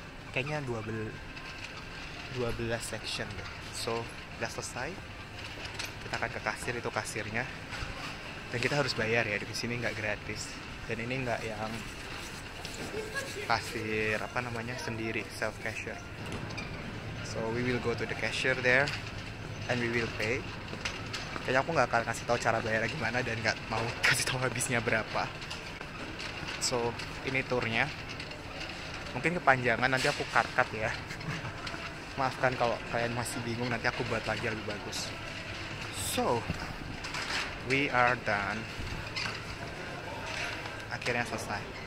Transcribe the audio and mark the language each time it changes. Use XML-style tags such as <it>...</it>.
<id>Kayaknya 12 section deh. So udah selesai, kita akan ke kasir, itu kasirnya, dan kita harus bayar ya, di sini nggak gratis, dan ini nggak yang kasir apa namanya sendiri, self cashier.</id> <en>So we will go to the cashier there and we will pay.</en> <id>Kayaknya aku nggak akan kasih tahu cara bayar gimana dan nggak mau kasih tahu habisnya berapa. So ini tournya, mungkin kepanjangan, nanti aku cut ya. Maafkan kalau kalian masih bingung, nanti aku buat lagi lebih bagus.</id> <en>So we are done,</en> <id>akhirnya selesai.</id>